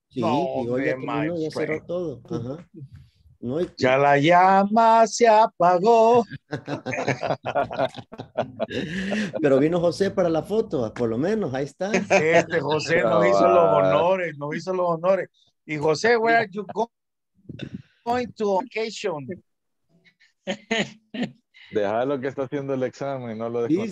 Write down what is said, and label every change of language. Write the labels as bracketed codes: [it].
[es] Sí, no, y hoy ya terminó, ya cerró todo. Ajá. No hay... Ya la llama se apagó. Pero vino José para la foto, por lo menos, ahí está. Este José nos hizo los honores, nos hizo los honores. [en] Y José, where are you going to vacation? [es] Dejalo que está haciendo el examen, no lo dejes.